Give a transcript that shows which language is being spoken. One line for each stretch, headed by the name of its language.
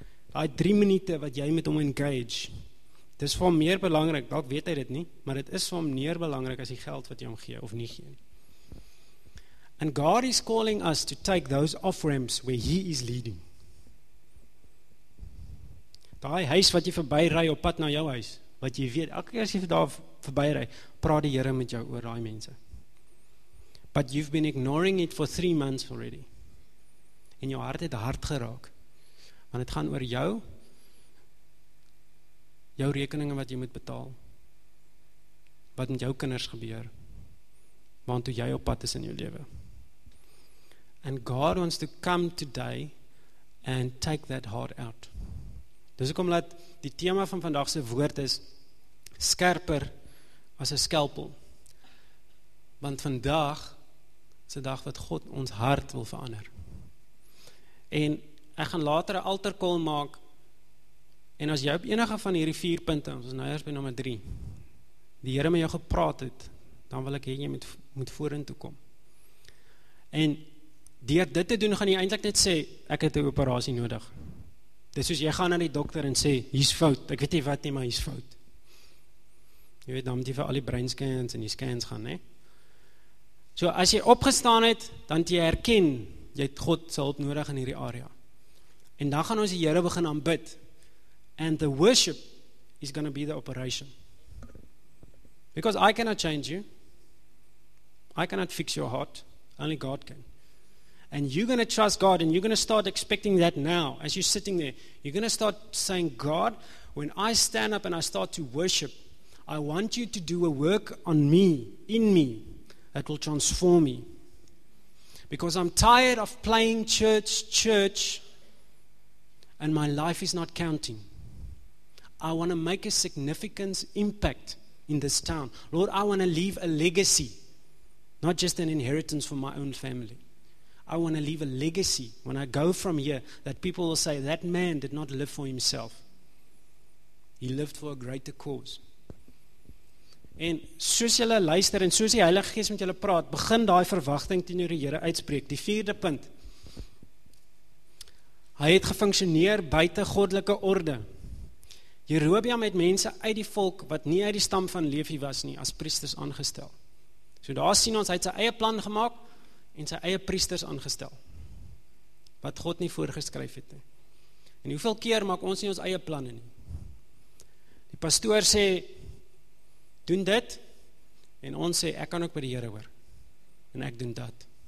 Afrikaans: Daai 3 minute wat jy met hom engage, dit is vir hom meer belangrik, dalk weet hy dit nie, maar dit is vir hom meer belangrik as die geld wat jy hom gee, of nie gee.
English: And God is calling us to take those off-ramps where He is leading.
Afrikaans: Daai huis wat jy verby ry op pad na jou huis, wat jy weet, elke keer as jy daar verby ry, praat die Here met jou oor daai mense.
English: But you've been ignoring it for 3 months already.
Afrikaans: En jou hart het hard geraak. Want het gaan oor jou, jou rekeninge wat jy moet betaal, wat met jou kinders gebeur, want hoe jy op pad is in jou lewe.
English: And God wants to come today and take that heart out.
Afrikaans: Dis ek omdat die thema van vandag se woord is skerper as 'n skalpel. Want vandag is 'n dag wat God ons hart wil verander. En ek gaan later 'n altar call maak. En as jy op enige van hierdie 4 punte, ons is nou eers by nommer 3, die Here met jou gepraat het, dan wil ek hê jy moet vorentoe kom. En deur dit te doen, gaan jy eintlik net sê, ek het 'n operasie nodig. Dis soos jy gaan na die dokter en sê, hier's fout, ek weet nie wat nie, maar hier's fout. Jy weet, dan moet jy vir al die brain scans en die scans gaan, nee. So, as jy opgestaan het, dan het jy herken, jy het God se hulp nodig in hierdie area. En dan gaan ons die Here begin aanbid.
English: And the worship is going to be the operation. Because I cannot change you. I cannot fix your heart. Only God can. And you're going to trust God and you're going to start expecting that now as you're sitting there. You're going to start saying, God, when I stand up and I start to worship, I want you to do a work on me, in me, that will transform me. Because I'm tired of playing church, and my life is not counting. I want to make a significant impact in this town. Lord, I want to leave a legacy, not just an inheritance for my own family. I want to leave a legacy when I go from here that people will say, that man did not live for himself. He lived for a greater cause.
Afrikaans: En soos julle luister en soos die Heilige Gees met julle praat, begin daai verwagting teenoor die Here uitspreek. Die 4de punt. Hy het gefunksioneer buite goddelike orde. Jerobeam het mense uit die volk wat nie uit die stam van Levi was nie, as priesters aangestel. So daar sien ons, hy het sy eie plan gemaak en sy eie priesters aangestel, wat God nie voorgeskryf het nie. En hoeveel keer maak ons nie ons eie planne nie? Die pastoor sê, doen dit, en ons sê, ek kan ook by die Here hoor, en ek doen dat.